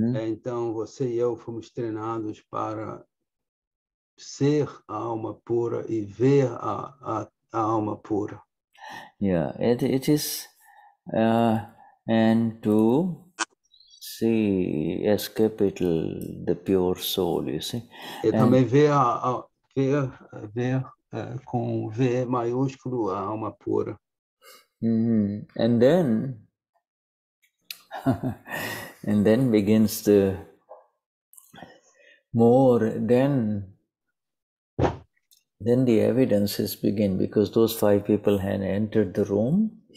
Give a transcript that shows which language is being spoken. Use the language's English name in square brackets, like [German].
[Portuguese] Então, você e eu fomos treinados para ser a alma pura e ver a alma pura. [English] Yeah, it is... and to see as capital the pure soul, you see. [Portuguese] E também ver com V maiúsculo a alma pura. [English] And then and then begins the more then the evidences begin, because those five people had entered the room.